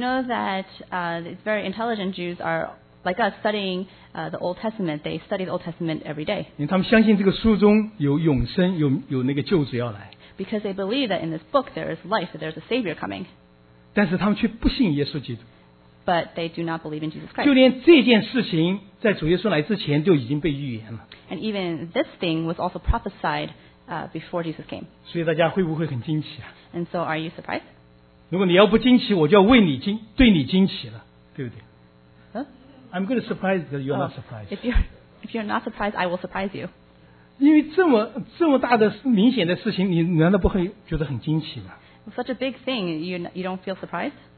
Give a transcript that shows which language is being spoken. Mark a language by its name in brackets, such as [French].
[English] We know that these very intelligent Jews are like us studying the Old Testament. They study the Old Testament every day. [Chinese] 因为他们相信这个书中有永生，有那个救主要来。 [English] Because they believe that in this book there is life, that there's a Savior coming. [Chinese] 但是他们却不信耶稣基督。 [English] But they do not believe in Jesus Christ. [Chinese] 就连这件事情在主耶稣来之前就已经被预言了。 [English] And even this thing was also prophesied before Jesus came. [Chinese] 所以大家会不会很惊奇啊？ [English] And so are you surprised? [Chinese] 如果你要不惊奇，我就要为你惊，对你惊奇了，对不对？ [English] Huh? I'm going to surprise that you're not surprised. If you're not surprised, I will surprise you. [Chinese] 因为这么大的明显的事情，你难道不会觉得很惊奇吗？ [English] Such a big thing, you don't feel surprised?